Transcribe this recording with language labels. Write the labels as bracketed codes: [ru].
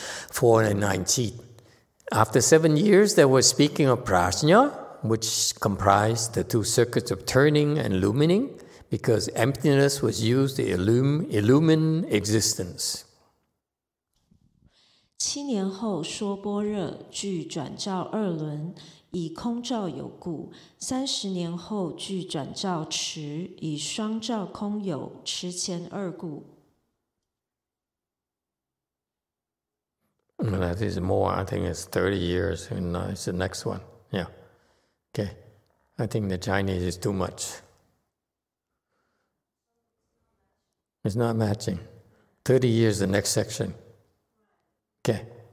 [en] 419. After 7 years, they were speaking of prajna, which comprised the two circuits of turning and illumining, because emptiness was used to illumine existence. [zh] 七年后说般若具转照二轮, 以空照有故, 30年后具转照持, 以双照空有, 持前二故. [en] That is more, I think it's 30 years, and it's the next one. Yeah. Okay. I think the Chinese is too much. It's not matching. 30 years, the next section. Okay.